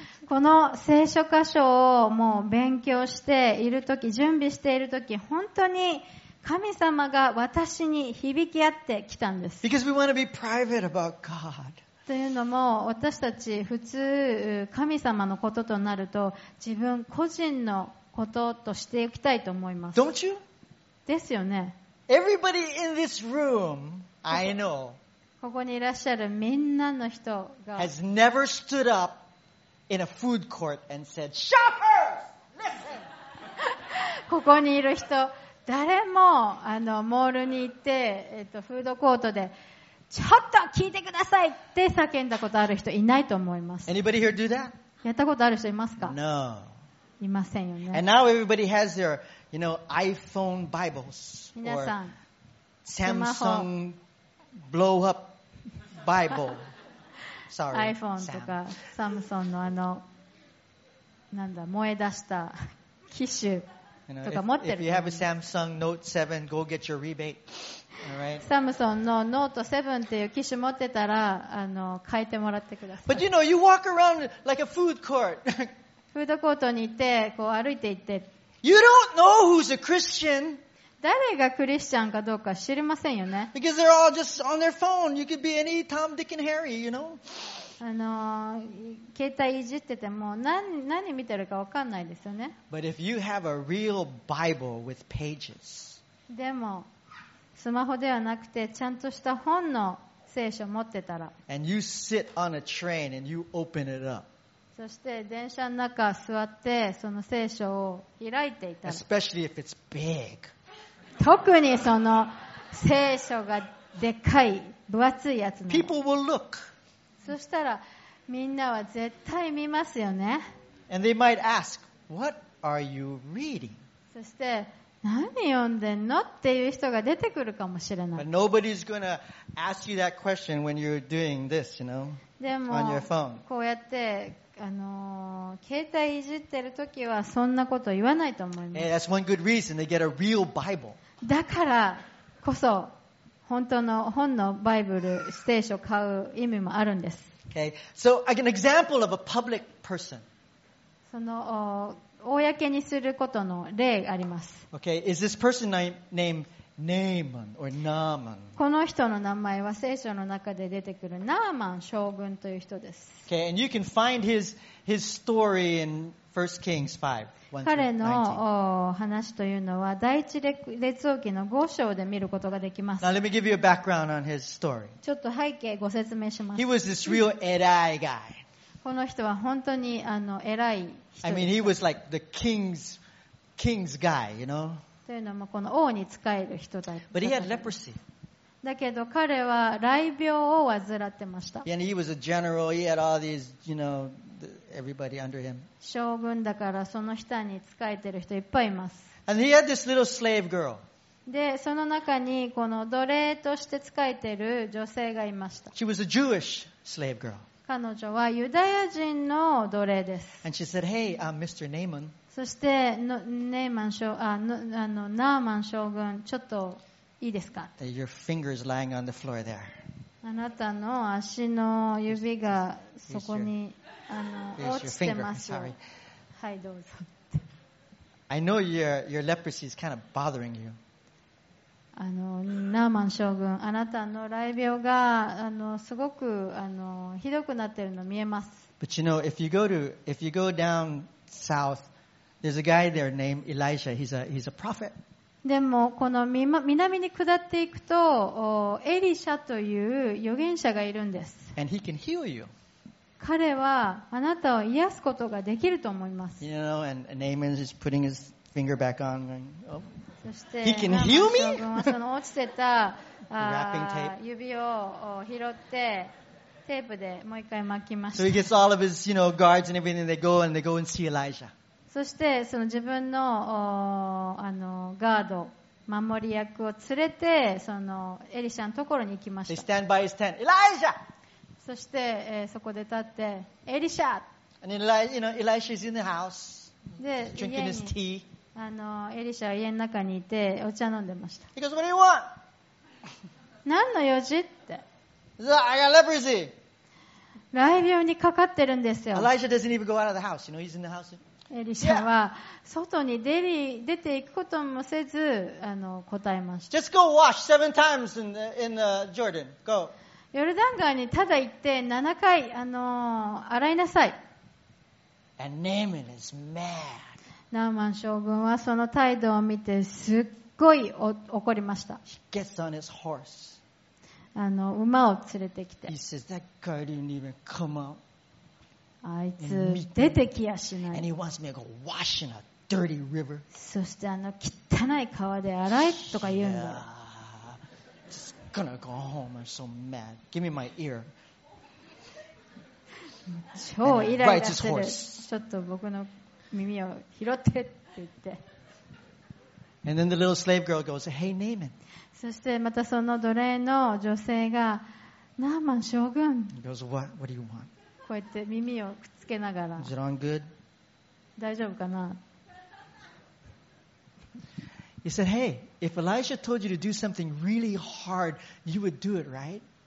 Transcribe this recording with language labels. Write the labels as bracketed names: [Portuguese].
[Japanese] この聖書箇所をもう勉強しているとき、準備しているとき、本当に神様が私に響き合ってきたんです。 [English] Because we want to be private about God. [Japanese] というのも、私たち普通神様のこととなると、自分個人のこととしていきたいと思います。 [English] Don't you? [Japanese] ですよね。 [English] Everybody in this room, I know. [Japanese] ここにいらっしゃるみんなの人が [English] has never stood up in a food court and said, "Shoppers, listen!" [Japanese] ここにいる人、誰もあのモールに行って、フードコートでちょっと聞いてくださいって叫んだことある人いないと思います。 [English] Anybody here do that? [Japanese] やったことある人いますか [English] ？No. [Japanese] いませんよね。 [English] And now everybody has their, you know, iPhone Bibles or Samsung. Blow up Bible. Sorry. [Japanese] iPhone とか Samsung のあのなんだ燃え出した機種とか持ってる。 [English] If you have a Samsung Note 7, go get your rebate. All right. [Japanese] Samsung の Note 7っていう機種持ってたら変えてもらってください。 [English] But you know, you walk around like a food court. [Japanese] フードコートにいて、こう歩いていて。 [English] You don't know who's a Christian. [Japanese] 誰がクリスチャンかどうか知りませんよね。 [English] Because they're all just on their phone. You could be any Tom, Dick, and Harry, you know? [Japanese] 携帯いじってても何見てるか分かんないですよね。 [English] But if you have a real Bible with pages. [Japanese] でも、スマホではなくて、ちゃんとした本の聖書を持ってたら。 [English] And you sit on a train and you open it up. [Japanese] そして電車の中座ってその聖書を開いていた。 [English] Especially if it's big. [Japanese] 特にその聖書がでかい分厚いやつの。 [English] People will look. [Japanese] そしたらみんなは絶対見ますよね。 [English] And they might ask, "What are you reading?" [Japanese] そして何読んでんのっていう人が出てくるかもしれない。 [English] But nobody's gonna ask you that question when you're doing this, you know, [Japanese] でも [English] on your phone. [Japanese] こうやって携帯いじってるときはそんなこと言わないと思います。 [English] That's one good reason they get a real Bible. [Japanese] だからこそ本当の本のバイブル、聖書を買う意味もあるんです。 [English] Okay. So, an example of a public person. [Japanese] その公にすることの例があります。 [English] Okay. Is this person named Naaman or Naaman? [Japanese] この人の名前は聖書の中で出てくるナーマン将軍という人です。 [English] Okay, and you can find his story in 1 Kings 5. [Japanese] 彼の話というのは第一列王記の5章で見ることができます。 [English] Now let me give you a background on his story. [Japanese] ちょっと背景ご説明します。 [English] He was this real 偉い guy. [Japanese] この人は本当に偉い人です。 [English] I mean, he was like the king's guy, you know? [Japanese] というのもこの王に仕える人だった。 [English] But he had leprosy. [Japanese] だけど彼は雷病を患ってました。 [English] And he was a general. He had all these, you know, everybody under him. [Japanese] 将軍だからその下に仕えてる人いっぱいいます。 [English] And he had this little slave girl. [Japanese] でその中にこの奴隷として仕えてる女性がいました。 [English] She was a Jewish slave girl. [Japanese] 彼女はユダヤ人の奴隷です。 [English] And she said, "Hey, I'm Mr. Naaman." [Japanese] そしてナーマン将軍ちょっといいですか。 [English] Your fingers lying on the floor there. [Japanese] あなたの足の指がそこに落ちてますよ。はいどうぞ。 [English] I know your leprosy is kind of bothering you. [Japanese] ナーマン将軍あなたの雷病がすごくひどくなってるの見えます。 [English] But you know if you go down south. There's a guy there named Elijah. He's a prophet. [Japanese] でもこの南に下っていくとエリシャという預言者がいるんです。 [English] And he can heal you. [Japanese] 彼はあなたを癒すことができると思います。 [English] You know, and Naaman is putting his finger back on. And, oh. [Japanese] そして、 [English] he can heal me? [Japanese] その落ちてた指を拾って。テープでもう一回巻きました。 [English] So he gets all of his, you know, guards and everything. They go and see Elijah. [Japanese] そしてその自分 の, ガード守り役を連れてそのエリシャのところに行きました。 [English] They stand by his tent. Elijah! [Japanese] そしてそこで立ってエリシャ。 [English] And Elijah, you know, Elijah is in the house. Drinking his tea. [Japanese] エリシャは家の中にいてお茶飲んでました。 [English] He goes, "What do you want?" [Japanese] 何の用事って。 [English] So, I got leprosy. [Japanese] 雷病にかかってるんですよ。 [English] Elijah doesn't even go out of the house. You know, he's in the house. [Japanese] エリシャは外に出ていくこともせず答えました。 [English] Just go wash seven times in the Jordan. Go. [Japanese] ヨルダン川にただ行って7回洗いなさい。 [English] And Naaman is mad. [Japanese] ナーマン将軍はその態度を見てすっごい怒りました。 [English] He gets on his horse. [Japanese] 馬を連れてきて。 [English] He says that guy didn't even come out. [Japanese] あいつ出てきやしない。 [English] And he wants me to go wash in a dirty river. [Japanese] そして汚い川で洗えとか言うんだ。 [English] Yeah. Just gonna go home. I'm so mad. Give me my ear. [Japanese] 超イライラしてる。ちょっと僕の耳を拾ってって言って。 [English] And then the little slave girl goes, "Hey, Naaman." [Japanese] そしてまたその奴隷の女性がナーマン将軍。 [English] He goes, "What do you want?" [Japanese] こうやって耳をくっつけながら。 [English] Is it on good? [Japanese] 大丈夫かな。 [English] He said, "Hey, if Elijah told you to do something really hard, you would do it, right?"